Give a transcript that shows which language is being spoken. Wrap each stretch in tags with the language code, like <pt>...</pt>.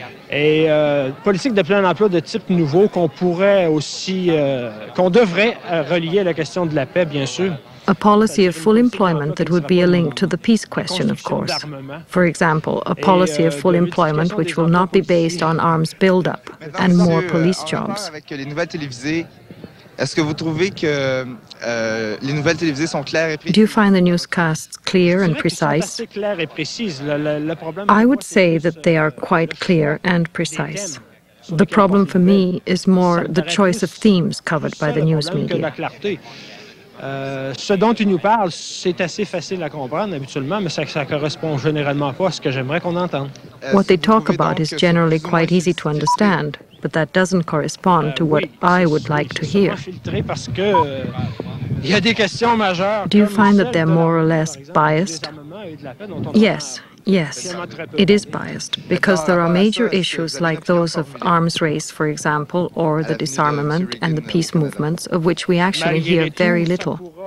<fr>Et politique de plein emploi de type nouveau qu'on pourrait aussi, qu'on devrait relier à la question de la paix, bien sûr.</fr> <en>A policy of full employment that would be a link to the peace question, of course. For example, a policy of full employment which will not be based on arms build-up and more police jobs.</en> <fr>Est-ce que vous trouvez que les nouvelles télévisées sont claires et précises?</fr> <en>Do you find the newscasts clear and precise?</en> <fr>C'est clair et précis. Le problème,</fr> <en>I would say that they are quite clear and precise. The problem for me is more the choice of themes covered by the news media.</en> <fr>Ce dont tu nous parles, c'est assez facile à comprendre habituellement, mais ça correspond généralement pas à ce que j'aimerais qu'on entende.</fr> <en>What they talk about is generally quite easy to understand, but that doesn't correspond to what I would like to hear. Do you find that they're more or less biased? Yes, yes, it is biased, because there are major issues like those of arms race, for example, or the disarmament and the peace movements, of which we actually hear very little.</en>